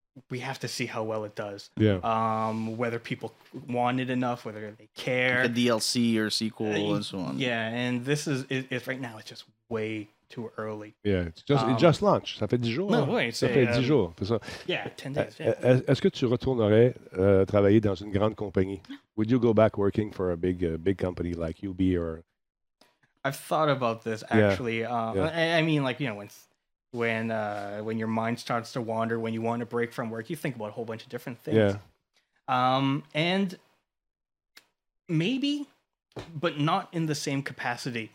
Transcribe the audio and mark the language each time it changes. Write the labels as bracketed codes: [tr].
[en] we have to see how well it does. Yeah. Whether people want it enough, whether they care. Like a DLC or sequel or so on. Yeah, and this is it's right now. It's just way too early. Yeah, it's just it just launched. [fr] Ça fait 10 jours. Non, oui, ça fait 10 jours. [en] Yeah, 10 days. [fr] Est-ce que tu retournerais travailler dans une grande compagnie? [en] Would you go back working for a big company like UB or? I've thought about this actually. Yeah. I mean, like, you know, when your mind starts to wander, when you want a break from work, you think about a whole bunch of different things. Yeah. And maybe, but not in the same capacity.